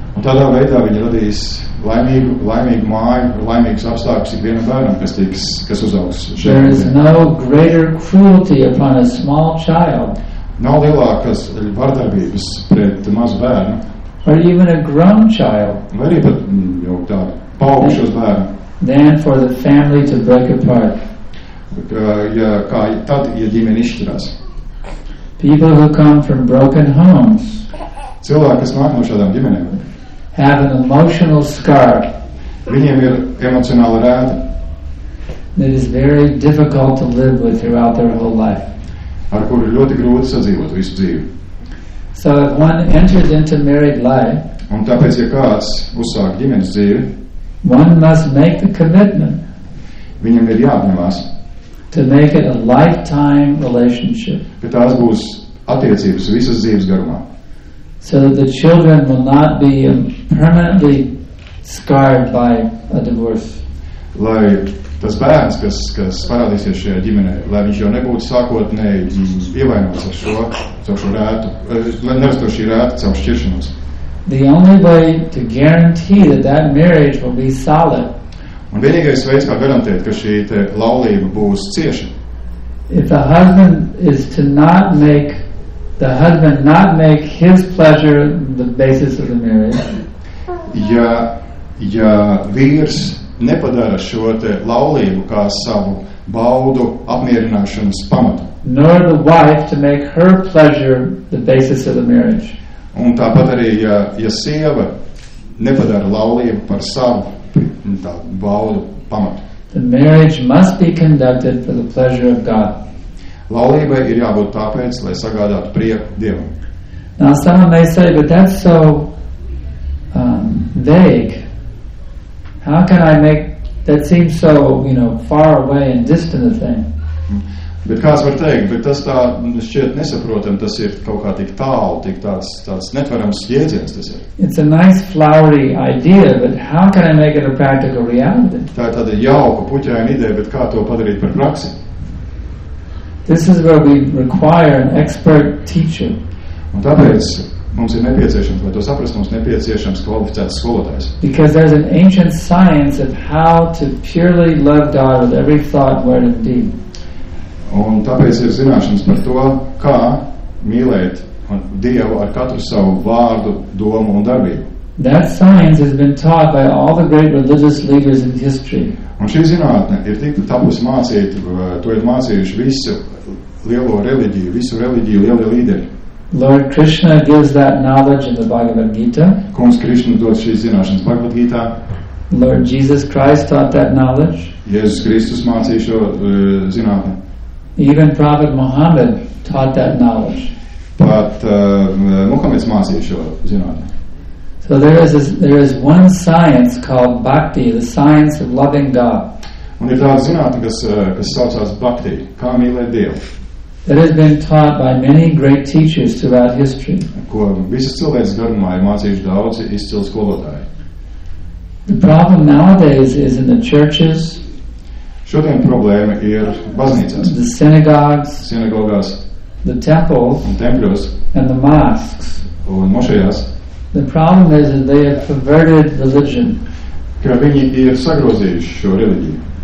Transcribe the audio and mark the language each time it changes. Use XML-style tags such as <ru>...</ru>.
<lv>Un tādā veidā viņa radīs laimīgu māju, laimīgus apstākļus ikvienam bērnam, kas uzaugs šeit.</lv> <en>There is no greater cruelty upon a small child.</en> <lv>Nav lielākas vardarbības pret mazu bērnu.</lv> <en>Or even a grown child.</en> <lv>Vai arī pat jau tādu paaugšos bērnu.</lv> <en>Then for the family to break apart.</en> <lv>Ja, kā tad, ja ģimene izšķirās.</lv> <en>People who come from broken homes.</en> <lv>Cilvēki, kas nāk no šādām ģimenēm.</lv> <en>Have an emotional scar.</en> <lv>Viņiem ir emocionāla rēta.</lv> <en>It is very difficult to live with throughout their whole life.</en> <lv>Ar kuru ļoti grūti sadzīvot visu dzīvi.</lv> <en>So if one enters into married life,</en> <lv>un tāpēc, ja kāds uzsāk ģimenes dzīvi,</lv> <en>one must make the commitment,</en> <lv>viņam ir jāapņemās,</lv> <en>to make it a lifetime relationship,</en> <lv>ka tās būs attiecības visas dzīves garumā,</lv> <en>so that the children will not be permanently scarred by a divorce.</en> <lv>Lai tas bērns, kas parādīsies šajā ģimenē, lai viņš jau nebūtu sākotnēji ievainots ar šo, caur šo rētu, lai nerastu šī rēta caur šķiršanos.</lv> <en>The only way to guarantee that that marriage will be solid.</en> <lv>Un vienīgais veids, kā garantēt, ka šī te laulība būs cieša.</lv> <en>If the husband is to not make, the husband not make his pleasure the basis of the marriage.</en> <lv>Ja vīrs nepadara šo te laulību kā savu baudu apmierināšanas pamatu.</lv> <en>Nor the wife to make her pleasure the basis of the marriage.</en> <lv>Un tāpat arī, ja sieva nepadara laulību par savu tā baudu pamatu.</lv> <en>The marriage must be conducted for the pleasure of God.</en> <lv>Laulībai ir jābūt tāpēc, lai sagādātu prieku Dievam.</lv> <en>Now someone may say, but that's so vague. How can I make that seem so, you know, far away and distant a thing?</en> <lv>Bet kāds var teikt, bet tas tā šķiet nesaprotam, tas ir kaut kā tik tālu, tik tāds netvarams jēdziens tas ir.</lv> <en>It's a nice flowery idea, but how can I make it a practical reality?</en> <lv>Tā ir tāda jauka, puķaina ideja, bet kā to padarīt par praksi?</lv> <en>This is where we require an expert teacher.</en> <lv>Un tāpēc mums ir nepieciešams, lai to saprast, mums nepieciešams kvalificēts skolotājs.</lv> <en>Because there's an ancient science of how to purely love God with every thought, word and deed.</en> <lv>Un tāpēc ir zināšanas par to, kā mīlēt Dievu ar katru savu vārdu, domu un darbību.</lv> <en>That science has been taught by all the great religious leaders in history.</en> <lv>Un šī zinātne ir tik tapusi mācīt, to ir mācījuši visu lielo reliģiju, visu reliģiju lielie līderi.</lv> <en>Lord Krishna gives that knowledge in the Bhagavad Gita.</en> <lv>Kungs Krishna dod šīs zināšanas Bhagavad Gita.</lv> <en>Lord Jesus Christ taught that knowledge.</en> <lv>Jēzus Kristus mācīja šo zinātni.</lv> <en>Even Prophet Muhammad taught that knowledge.</en> <lv>Pat Muhammeds mācīja šo zinātni.</lv> <en>So there is one science called bhakti, the science of loving God.</en> <lv>Un ir tāda zinātne, kas saucās bhakti, kā mīlēt Dievu.</lv> <en>That has been taught by many great teachers throughout history.</en> <lv>Ko visas cilvēks garumā ir mācījuši daudzi izcili skolotāji.</lv> <en>The problem nowadays is in the churches.</en> <lv>Šodien problēma ir baznīcās.</lv> <en>The synagogues.</en> <lv>Sinagogās.</lv> <en>The temples.</en> <lv>Un tempļos.</lv> <en>And the mosques.</en> <lv>Un mošajās.</lv> <en>The problem is that they have perverted religion.</en> <lv>Ka viņi ir sagrozījuši šo reliģiju.</lv>